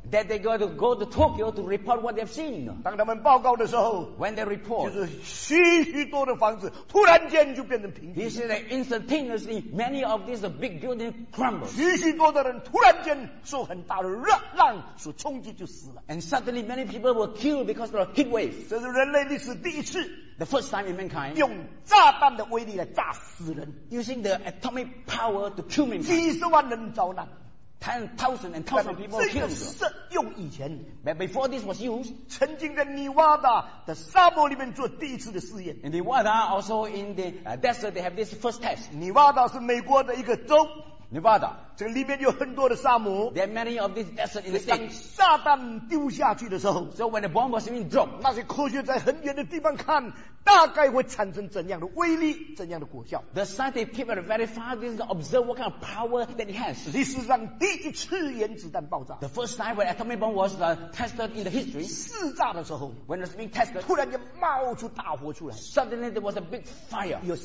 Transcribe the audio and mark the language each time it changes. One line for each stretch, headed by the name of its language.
English: That they got to go to Tokyo to report what they've seen.
Chinese: 当他们报告的时候,
English: when they report,
Chinese: 就是许许多的房子突然间就变成平地.
English: He said that instantaneously many of these big buildings crumbled.
Chinese: 许许多的人突然间受很大的热浪所冲击就死了.
English: And suddenly many people were killed because of a heat wave.
Chinese: 这是人类历史第一次,
English: the first time in mankind,
Chinese: 用炸弹的威力来炸死人,
English: using the atomic power to kill mankind.
Chinese: 几十万人遭难.
English: Thousand and thousand people killed.
Chinese: 这个是用以前,
English: but before this was used,
Chinese: 曾经在尼瓦达的沙漠里面做第一次的试验.
English: In Nevada, also in the desert, they have this first test.
Chinese: 尼瓦达是美国的一个州.
English: Nevada.
Chinese: 这里面有很多的沙漠.
English: There are many of these deserts in the state.
Chinese: 当炸弹丢下去的时候,
English: so when the bomb was being dropped,
Chinese: 那些科学在很远的地方看, 大概会产生怎样的威力, 怎样的果效.
English: The scientists keep it very far, to observe what kind of power that it has.
Chinese: 历史上第一次原子弹爆炸,
English: the first time when atomic bomb was tested in the history,
Chinese: 试炸的时候,
English: when it was being tested,
Chinese: 突然间冒出大火出来,
English: suddenly there was a big fire.